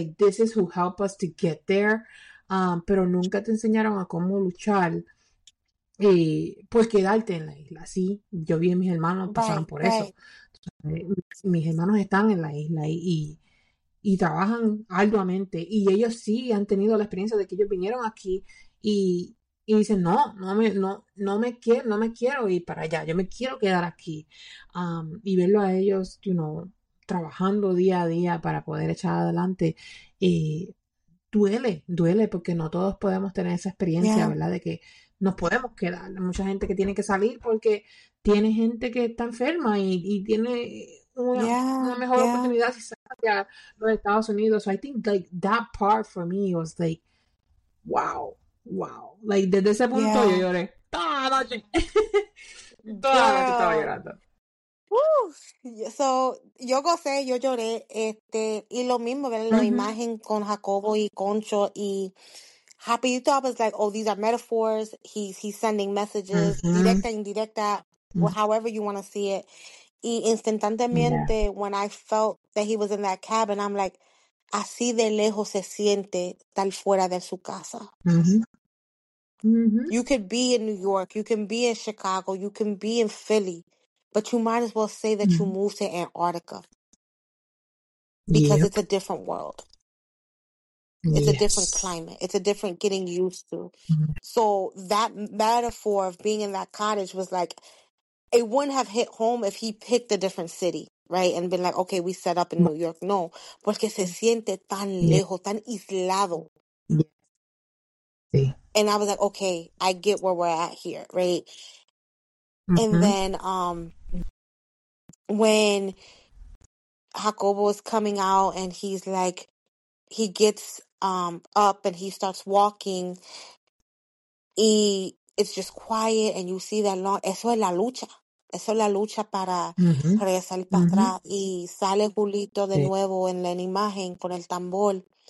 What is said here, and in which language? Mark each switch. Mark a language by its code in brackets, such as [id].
[en] Like, this is who help us to get there. [es] Pero nunca te enseñaron a cómo luchar y pues quedarte en la isla. Sí, yo vi a mis hermanos pasaron por eso. Entonces, mis hermanos están en la isla y trabajan arduamente y ellos sí han tenido la experiencia de que ellos vinieron aquí. Y dice, no, no me quiero ir para allá, yo me quiero quedar aquí. Y verlo a ellos, [en] you know, [es] trabajando día a día para poder echar adelante, duele, duele, porque no todos podemos tener esa experiencia, ¿verdad? De que nos podemos quedar. Hay mucha gente que tiene que salir porque tiene gente que está enferma y tiene una mejor oportunidad si sale a los Estados Unidos. [en] So I think, like, that part for me was like, wow. [es] Wow, like, desde ese punto yo lloré toda la noche. Toda la noche estaba [en] Girl. [es] llorando. So, yo gocé, yo lloré, y lo mismo, ver la imagen con Jacobo y Concho y rapidito, [en] I was like, oh, these are metaphors. He's sending messages, [es] directa, indirecta, [en] however you want to see it. [es] Y instantáneamente, [en] when I felt that he was in that cabin, I'm like, [es] así de lejos se siente estar fuera de su casa. [en] You could be in New York, you can be in Chicago, you can be in Philly, but you might as well say that you moved to Antarctica because it's a different world. It's a different climate. It's a different getting used to. So that metaphor of being in that cottage was like, it wouldn't have hit home if he picked a different city, right? And been like, okay, we set up in New York. [es] No, porque se siente tan lejos, tan aislado. [en] And I was like, okay, I get where we're at here, right? And then when Jacobo is coming out and he's like, he gets up and he starts walking. Y it's just quiet, and you see that long. [es] Eso es la lucha. Eso es la lucha para regresar para atrás. Y sale Julito de nuevo en la imagen con el tambor.